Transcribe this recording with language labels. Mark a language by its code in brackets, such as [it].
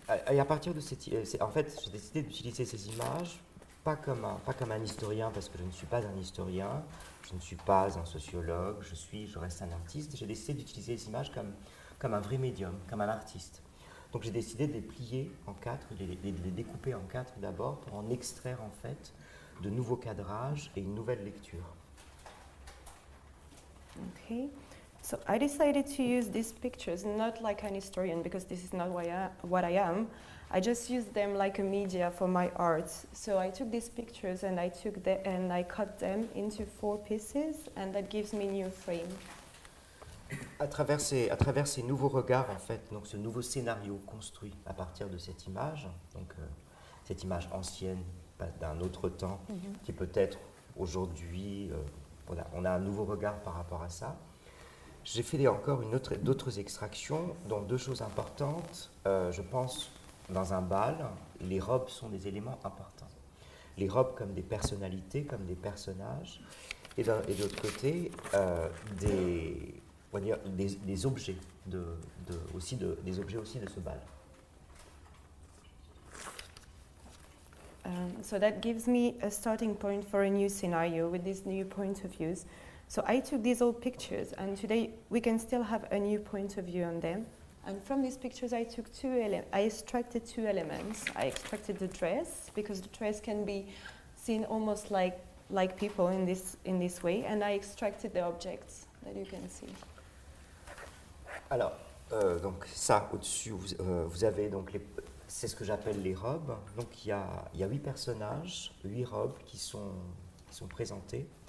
[fr] Et à partir de cette, j'ai décidé d'utiliser ces images, pas comme un historien, parce que je ne suis pas un historien, je ne suis pas un sociologue, je reste un artiste. J'ai décidé d'utiliser les images comme un vrai médium, comme un artiste. Donc j'ai décidé de les plier en quatre, de les découper en quatre d'abord, pour en extraire en fait de nouveaux cadrages et une nouvelle lecture. [en] Okay. So I decided to use these pictures not like an historian, because this is not what I am. I just used them like a media for my art. So I took these pictures and I took them and I cut them into four pieces, and that gives me new frame. [fr] À travers ces nouveaux regards en fait, donc ce nouveau scénario construit à partir de cette image, donc cette image ancienne d'un autre temps, mm-hmm. qui peut-être aujourd'hui on a un nouveau regard par rapport à ça. J'ai fait encore d'autres extractions, dont deux choses importantes. Je pense, dans un bal, les robes sont des éléments importants. Les robes comme des personnalités, comme des personnages. Et de l'autre côté, des objets des objets aussi de ce bal. [en] So that gives me a starting point for a new scenario with these new points of views. So I took these old pictures, and today we can still have a new point of view on them. And from these pictures, I took extracted two elements. I extracted the dress, because the dress can be seen almost like people in this way. And I extracted the objects that you can see. [fr] Alors, donc ça au-dessus, vous avez donc c'est ce que j'appelle les robes. Donc il y a huit personnages, huit robes qui sont présentées.